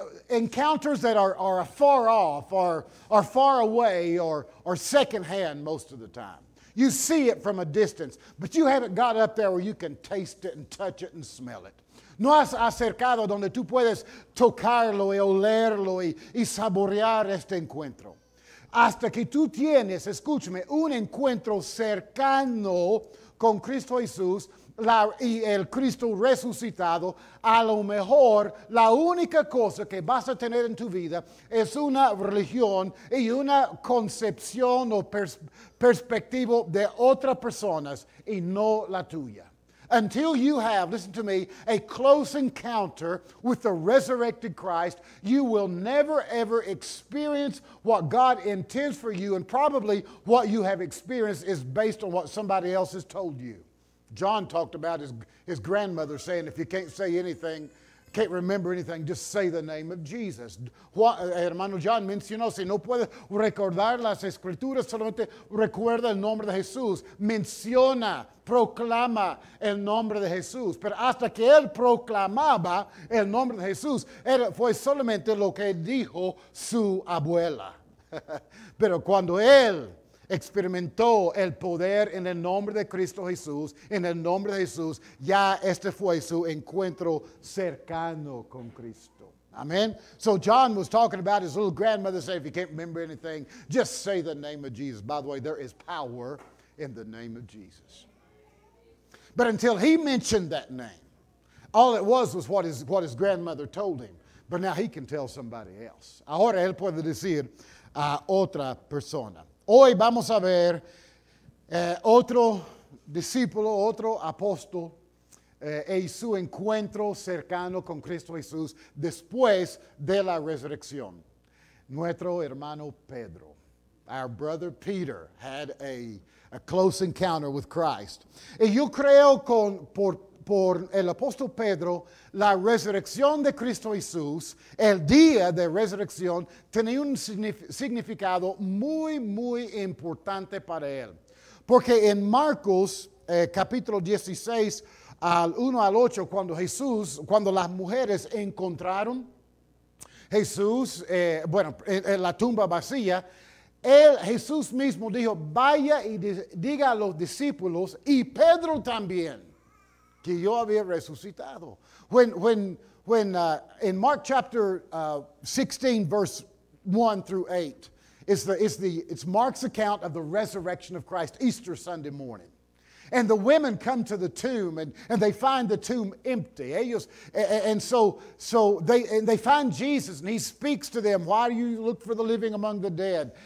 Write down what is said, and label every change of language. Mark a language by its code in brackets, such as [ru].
[en] Encounters that are far off or are far away or second hand most of the time. You see it from a distance, but you haven't got up there where you can taste it and touch it and smell it. [es] No has acercado donde tú puedes tocarlo y olerlo y saborear este encuentro. Hasta que tú tienes, escúchame, un encuentro cercano con Cristo Jesús y el Cristo resucitado, a lo mejor la única cosa que vas a tener en tu vida es una religión y una concepción o perspectiva de otras personas y no la tuya. [en] Until you have, listen to me, a close encounter with the resurrected Christ, you will never ever experience what God intends for you, and probably what you have experienced is based on what somebody else has told you. John talked about his grandmother saying, if you can't say anything, can't remember anything, just say the name of Jesus. [es] Hermano John mencionó, si no puedes recordar las escrituras, solamente recuerda el nombre de Jesús. Menciona, proclama el nombre de Jesús. Pero hasta que él proclamaba el nombre de Jesús, fue solamente lo que dijo su abuela. Pero cuando él experimentó el poder en el nombre de Cristo Jesús, en el nombre de Jesús, ya este fue su encuentro cercano con Cristo. Amen. [en] So John was talking about his little grandmother saying, if you can't remember anything, just say the name of Jesus. By the way, there is power in the name of Jesus. But until he mentioned that name, all it was what his grandmother told him. But now he can tell somebody else. [es] Ahora él puede decir a otra persona. Hoy vamos a ver otro discípulo, otro apóstol y su encuentro cercano con Cristo Jesús después de la resurrección. Nuestro hermano Pedro. [en] Our brother Peter had a close encounter with Christ. [es] Y yo creo por el apóstol Pedro, la resurrección de Cristo Jesús, el día de resurrección, tenía un significado muy, muy importante para él. Porque en Marcos, capítulo 16, al 1 al 8, cuando las mujeres encontraron Jesús, en la tumba vacía, Jesús mismo dijo, vaya y diga a los discípulos, y Pedro también, que yo había resucitado. [en] In Mark chapter 16, verse 1 through 8, it's Mark's account of the resurrection of Christ, Easter Sunday morning. And the women come to the tomb and they find the tomb empty. And they find Jesus and he speaks to them, why do you look for the living among the dead?